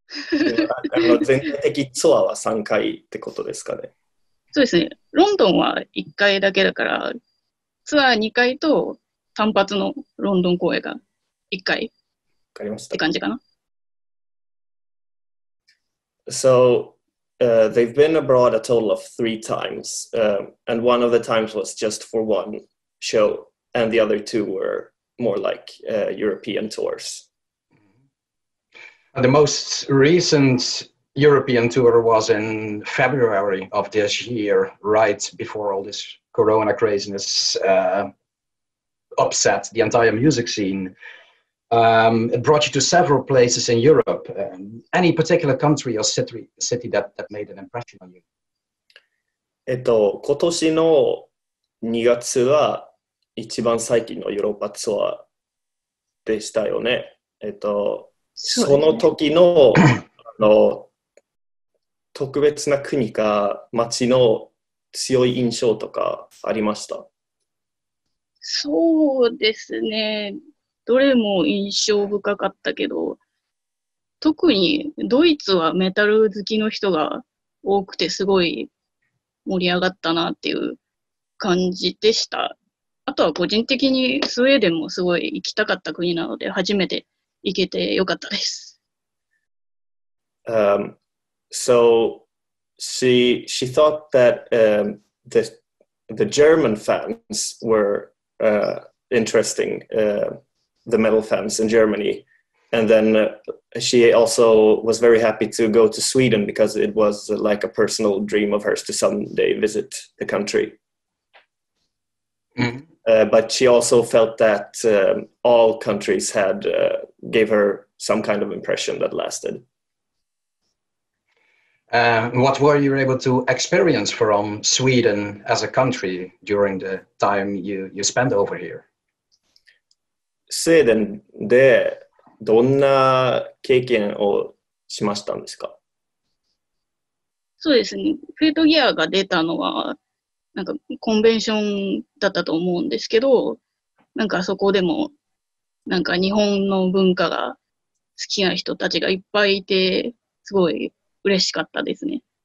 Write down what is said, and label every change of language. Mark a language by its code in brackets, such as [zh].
[ja] 全体的ツアーは3回ってことですかね。そうですね、ロンドンは1回だけだから、ツアー2回と単発のロンドン公演が1回。わかりました。って感じかな。 [en] So, they've been abroad a total of 3 times, and one of the times was just for one show, and the other two were more like European tours. The most recent European tour was in February of this year, right before all this corona craziness upset the entire music scene. It brought you to several places in Europe. Any particular country or city that made an impression on you? [ja] 今年の2月は一番最近のヨーロッパツアーでしたよね。その時の、あの、特別な国か町の強い印象とかありました？そうですね。どれも印象深かったけど、特にドイツはメタル好きの人が多くてすごい盛り上がったなっていう感じでした。あとは個人的にスウェーデンもすごい行きたかった国なので、初めて行けてよかったです。 [en] So she thought that the German fans were interesting, the metal fans in Germany. And then she also was very happy to go to Sweden because it was like a personal dream of hers to someday visit the country. Mm-hmm. But she also felt that all countries had gave her some kind of impression that lasted. What were you able to experience from Sweden as a country during the time you spent over here? [ja] スウェーデンでどんな経験をしましたんですか？そうですね、フェイトギアが出たのはなんかコンベンションだったと思うんですけど、なんかそこでもなんか日本の文化が好きな人たちがいっぱいいてすごい嬉しかったですね。